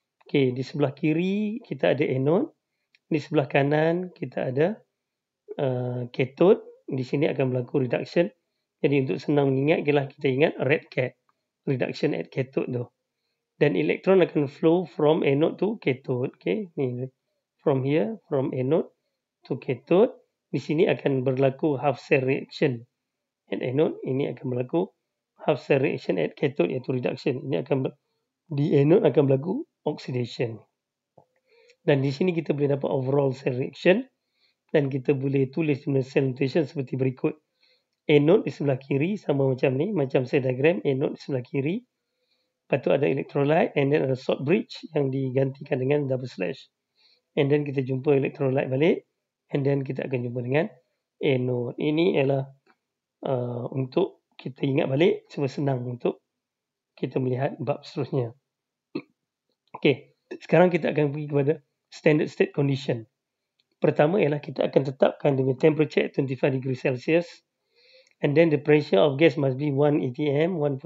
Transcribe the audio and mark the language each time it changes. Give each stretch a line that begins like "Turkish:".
Malay: Okay, di sebelah kiri kita ada anode, di sebelah kanan kita ada cathode. Di sini akan berlaku reduction. Jadi untuk senang mengingat, ialah kita ingat
English: red cat reduction at cathode
Malay: tu. Dan elektron akan
English: flow from anode to cathode.
Malay: Okay. Ni.
English: From here, from anode to cathode.
Malay: Di sini akan berlaku
English: half cell reaction at anode.
Malay: Ini akan berlaku
English: half cell reaction at cathode,
Malay: iaitu reduction. Ini akan di anode akan berlaku oxidation. Dan di sini kita boleh dapat overall cell reaction. Dan kita boleh tulis cell notation seperti berikut. Anode di sebelah kiri sama macam ni. Macam cell diagram, anode di sebelah kiri. Lepas tu ada electrolyte and then ada salt bridge yang digantikan dengan double slash. And then kita jumpa electrolyte balik. And then kita akan jumpa dengan anode. Ini ialah untuk kita ingat balik. Cuma senang untuk kita melihat bab seterusnya. Okay. Sekarang kita akan pergi kepada standard state condition. Pertama ialah kita akan tetapkan
English: the temperature at 25 degrees Celsius. And then the pressure of gas must be 1 atm.